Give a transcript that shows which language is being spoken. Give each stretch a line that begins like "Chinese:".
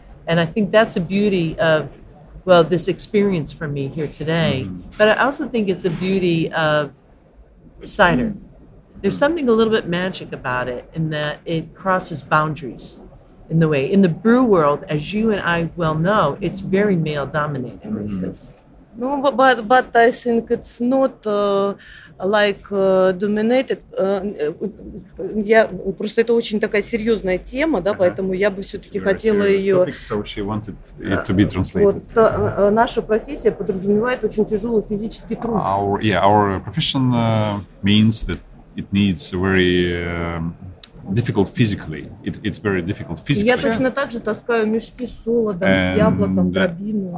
English: And I think that's the beauty of, well, this experience for me here today. Mm-hmm. But I also think it's the beauty of cider. Mm-hmm. There's something a little bit magic about it in that it crosses boundaries in the way. In the brew world, as you and I well know, it's very male dominated. Mm-hmm. No, but I think it's not dominated.
Russian: Я просто это очень такая серьезная тема, да, поэтому я бы все-таки хотела ее. Вот наша профессия подразумевает очень тяжелый физический труд.
English: Our profession means that it needs very difficult physically. It's very difficult physically.
Russian: Я точно так же таскаю мешки с солодом, с яблоком, дробину.